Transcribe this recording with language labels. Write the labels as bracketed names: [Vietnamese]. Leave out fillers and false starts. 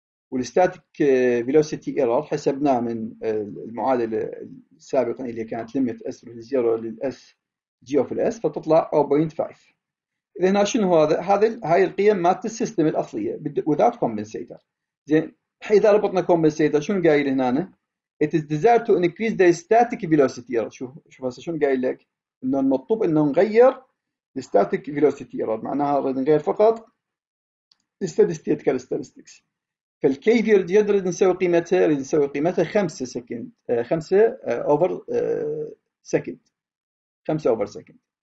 [Arabic] والستاتيك فيلوسيتي ايرور حسبناه من المعادله السابقه اللي كانت ليمت اس زيرو للاس جي اوف الاس، فتطلع 0.5. اذا هنا شنو هو هذا؟ هاي القيم مالت السيستم الاصليه [English] without compensator. [Arabic] زين اذا ربطنا compensator شنو قايل هنا؟ [English] It is desired to increase the static velocity error. [Arabic] شوف هسه شنو قايل لك؟ انه المطلوب انه نغير الستاتيك فيلوسيتي ايرور، معناها نريد نغير فقط الستاتيك كاركترستكس. فالكي في اللي نريد نسوي قيمتها، نريد نسوي قيمتها 5 سكند، 5 اوفر سكند، 5 اوفر سكند.